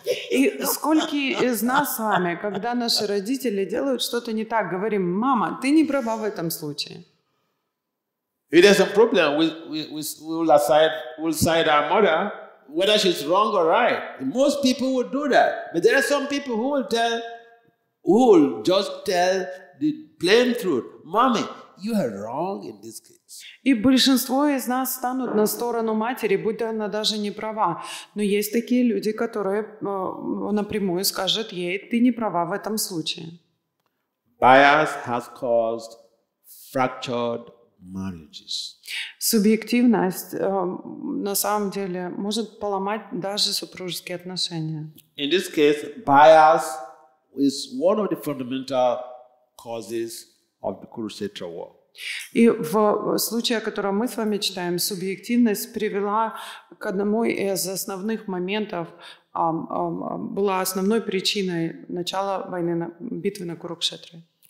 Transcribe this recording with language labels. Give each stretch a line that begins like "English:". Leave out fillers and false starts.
Russian: И сколько из нас с вами, когда наши родители делают что-то не так, говорим: "Мама, ты не права в этом случае."
English: If there's a problem, we'll side our mother, whether she's wrong or right. Most people would do that, but there are some people who will just tell the plain truth, "Mommy, you are wrong in this case."
Russian: И большинство из нас станут на сторону матери, будь она даже не права. Но есть такие люди, которые напрямую скажут ей: ты не права в этом случае.
English: Bias has caused fractured marriages.
Russian: Субъективность на самом деле может поломать даже супружеские отношения.
English: In this case, bias is one of the fundamental causes of the Kurukshetra war.
Russian: И в случае, о котором мы с вами читаем, субъективность привела к одному из основных моментов, была основной причиной начала войны, битвы на Курукшетре.